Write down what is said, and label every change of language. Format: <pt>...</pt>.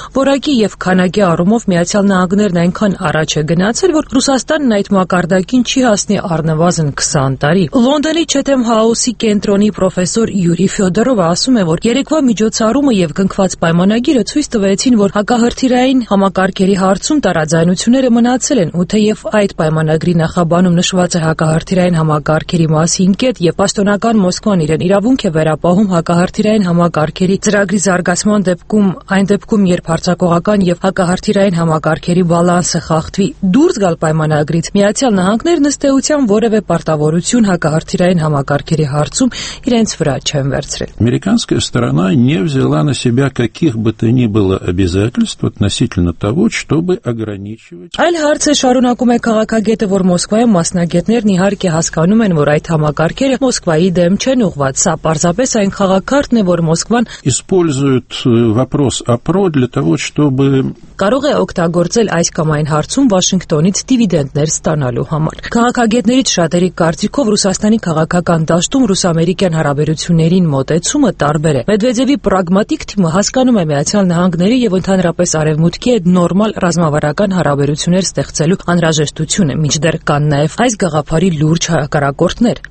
<hy>որակի և քանակի առումով Միացյալ Նահանգներն այնքան առաջ է գնացել, որ Ռուսաստանն այդ մակարդակին չի հասնի առնվազն 20 տարի։ Լոնդոնի Չեթեմ Հաուսի կենտրոնի պրոֆեսոր Յուրի Ֆյոդորովը ասում է, որ երեկվա միջոցառումը և կնքված պայմանագիրը ցույց տվեցին, որ հակահրթիրային համակարգերի հարցում տարաձայնությունները մնացել են, ու թեև այդ պայմանագրի նախաբանում նշված է հակահարթիրային համակարգերի մասին կետ, և պաշտոնական Մոսկվան իրեն իրավունք է վերապահում հակահարթիրային համակարգերի ծրագրի զարգացման դեպքում, այն դեպքում, երբ հարձակողական և հակահարթիրային համակարգերի բալանսը խախտվի, դուրս գալ պայմանագրից Միացյալ Նահանգներն ըստ էության որևէ պարտավորություն հակահարթիրային համակարգերի հարցում իրենց վրա չեն վերցրել։</hy> <ru>Американская сторона не взяла на себя каких бы то ни было обязательств относительно того, чтобы ограничивать.</ru> <hy>Այլ հարցը շարունակում է քաղաքագետը, որ Մոսկվայում մասնագետներն իհարկե հասկանում են, որ այդ համակարգերը Մոսկվայի դեմ չեն ուղված, սա պարզապես այն քաղաքարտն է, որ Մոսկվան</hy> <ru>используют вопрос о ПРО для того, чтобы</ru> <hy>կարող է օգտագործել այս կամ այն հարցում Վաշինգտոնից դիվիդենդներ ստանալու համար։ Քաղաքագետներից շատերի կարծիքով Ռուսաստանի քաղաքական դաշտում ռուս-ամերիկյան հարաբերություններին մոտեցումը տարբեր է։ Մեդվեդևի պրագմատիկ թիմը հասկանում է Միացյալ Նահանգների եւ ընդհանրապես Արևմուտքի այդ նորմալ ռազմավարական հարաբերություններ ստեղծելու անհրաժեշտությունը, միջդեռ կան նաեւ այս գաղափարի լուրջ հակարակորդներ։</hy>